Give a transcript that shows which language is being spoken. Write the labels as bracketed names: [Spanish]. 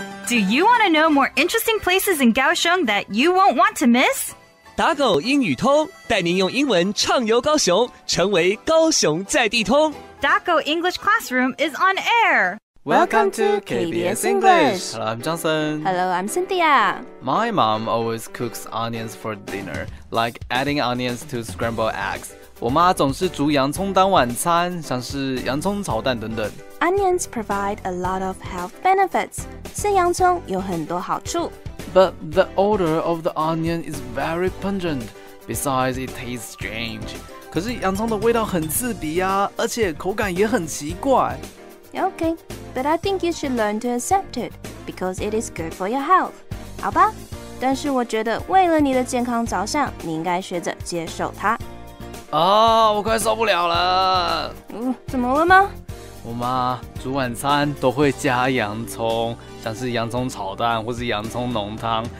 [English] Do you want to know more interesting places in Kaohsiung that you won't want to miss? [Chinese] 打狗英语通，带您用英文畅游高雄，成为高雄在地通。 [English] 打狗 English Classroom is on air. Welcome to KBS English. Hello, I'm Johnson. Hello, I'm Cynthia. My mom always cooks onions for dinner, like adding onions to scrambled eggs. [Chinese] 我妈总是煮洋葱当晚餐，像是洋葱炒蛋等等。 [English] Onions provide a lot of health benefits. [Chinese] 吃洋葱有很多好处。 [English] But the odor of the onion is very pungent. Besides, it tastes strange. [Chinese] 可是洋葱的味道很刺鼻啊，而且口感也很奇怪。 [English] Okay, but I think you should learn to accept it, because it is good for your health. [Chinese] 好吧，但是我觉得为了你的健康着想，你应该学着接受它。啊，我快受不了了。怎么了吗？我妈煮晚餐都会加洋葱，像是洋葱炒蛋或是洋葱浓汤。